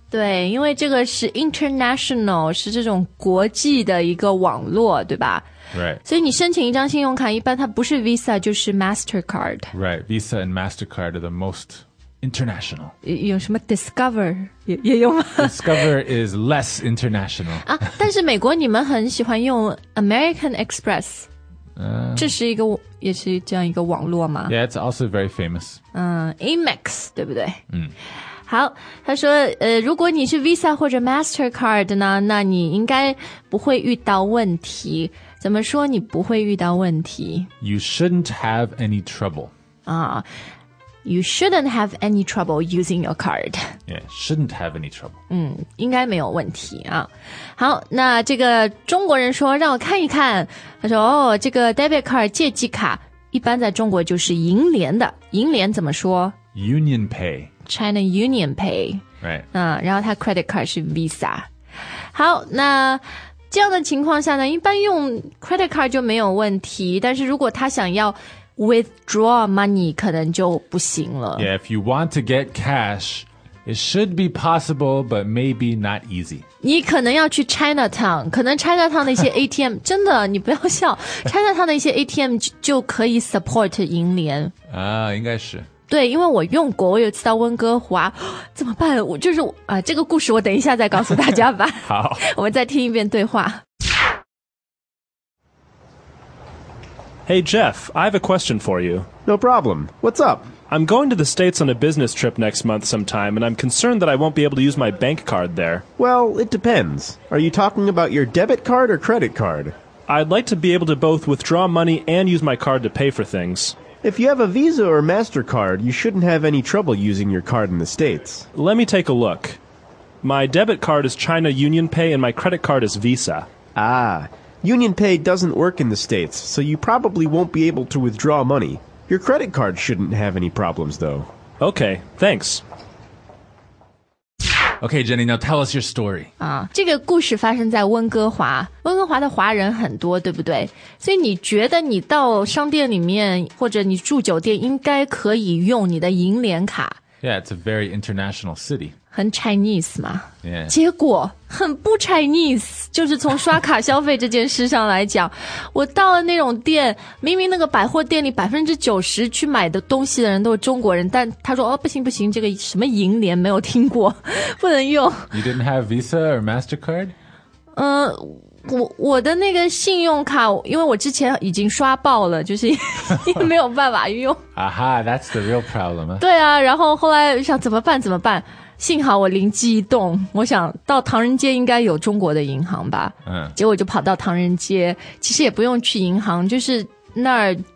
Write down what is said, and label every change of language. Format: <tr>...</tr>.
<zh>对，因为这个是 international, 是这种国际的一个网络，对吧？</zh> <en>Right.</en> <zh>所以你申请一张信用卡，一般它不是 Visa, 就是 MasterCard.</zh> <en>Right, Visa and MasterCard are the most... International.</en> <zh>有什么 Discover 也用吗？</zh> <en>Discover is less international.</en> <zh>但是美国你们很喜欢用 American Express. 这是一个也是这样一个网络吗？</zh> <en>Yeah, it's also very famous.</en> <zh>Amex, 对不对？好，他说如果你是 Visa 或者 MasterCard 呢，那你应该不会遇到问题。怎么说你不会遇到问题？ You shouldn't have any trouble. You shouldn't have any trouble using your card. Yeah, shouldn't have any trouble. 应该没有问题啊。好，那这个中国人说让我看一看。他说哦，这个 debit card 借记卡一般在中国就是银联的。银联怎么说？</zh> <en>Union Pay. China Union Pay. Right.</en> <zh>然后他 credit card 是 Visa. 好，那这样的情况下呢，一般用 credit card 就没有问题。但是如果他想要withdraw money 可能就不行了。</zh> <en>Yeah, if you want to get cash, it should be possible, but maybe not easy.</en> <zh>你可能要去 Chinatown, 可能 Chinatown 的一些 ATM, 真的你不要笑, Chinatown 的一些 ATM 就可以 support 银联。应该是。对，因为我用过，我有次到温哥华，怎么办？我就是这个故事我等一下再告诉大家吧。好。我们再听一遍对话。</zh> <en>Hey, Jeff, I have a question for you. No problem. What's up? I'm going to the States on a business trip next month sometime, and I'm concerned that I won't be able to use my bank card there. Well, it depends. Are you talking about your debit card or credit card? I'd like to be able to both withdraw money and use my card to pay for things. If you have a Visa or MasterCard, you shouldn't have any trouble using your card in the States. Let me take a look. My debit card is China Union Pay, and my credit card is Visa. Union Pay doesn't work in the States, so you probably won't be able to withdraw money. Your credit card shouldn't have any problems, though. Okay, thanks. Okay, Jenny, now tell us your story.</en> <zh>这个故事发生在温哥华。温哥华的华人很多，对不对？所以你觉得你到商店里面，或者你住酒店，应该可以用你的银联卡。</zh> <en>Yeah, it's a very international city.</en> <zh>很 Chinese 嘛。</zh> <en>Yeah.</en> <zh>结果很不 Chinese, 就是从刷卡消费这件事上来讲。我到了那种店，明明那个百货店里 90% 去买的东西的人都是中国人，但他说哦，不行不行，这个什么银联没有听过，不能用。</zh> <en>You didn't have Visa or MasterCard?</en> <zh>我的那个信用卡，因为我之前已经刷爆了，就是没有办法用。</zh> <en>that's the real problem.</en> <zh>对啊，然后后来想怎么办怎么办，幸好我灵机一动，我想到唐人街应该有中国的银行吧。结果就跑到唐人街，其实也不用去银行，就是那儿</zh>